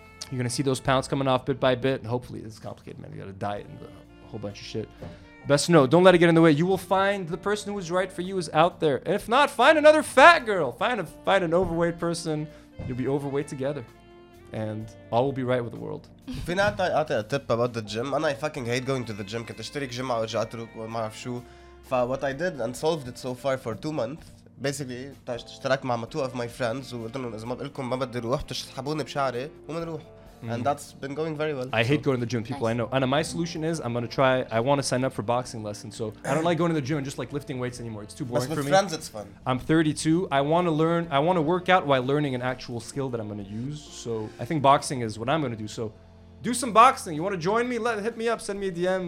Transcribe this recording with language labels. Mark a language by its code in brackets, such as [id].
[en] you're gonna see those pounds coming off bit by bit, and hopefully it's complicated, man. You got a diet and a whole bunch of shit. Best know, don't let it get in the way. You will find the person who is right for you is out there. And if not, find another fat girl. Find an overweight person. You'll be overweight together. And all will be right with the world. [ar] في نعطي [en] a tip about the gym. And I fucking hate going to the gym. [ar] كنت اشترك جمعة ورجعت روك وما عرف شو. [en] ف what I did and solved it so far for 2 months. Basically, [ar] اشترك مع [en] two of my friends. [ar] وقلت لهم إذا ما بقلكم ما بدي روح تشتحبوني بشعري ومنروح. [en] And that's been going very well. I hate going to the gym, people. Nice. I know. And my solution is I want to sign up for boxing lessons. So I don't like going to the gym and just like lifting weights anymore. It's too boring for me. But with friends, it's fun. I'm 32. I want to work out while learning an actual skill that I'm going to use. So I think boxing is what I'm going to do. So do some boxing. You want to join me? Hit me up. Send me a DM.